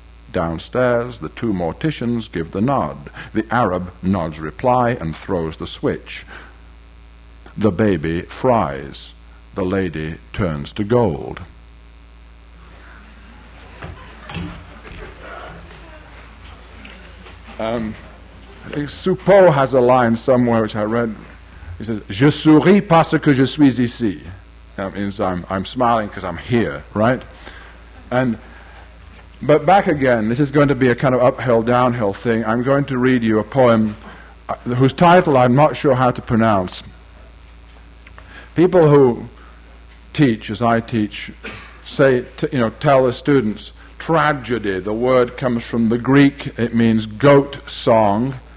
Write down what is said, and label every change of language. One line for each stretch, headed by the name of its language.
English: Downstairs, the two morticians give the nod. The Arab nods reply and throws the switch. The baby fries. The lady turns to gold. Soupeau has a line somewhere which I read. He says,
French: "Je souris parce que je suis ici."
English: That means I'm smiling because I'm here, right? But back again, this is going to be a kind of uphill, downhill thing. I'm going to read you a poem whose title I'm not sure how to pronounce. People who teach, as I teach, say, tell the students, tragedy, the word comes from the Greek, it means goat song.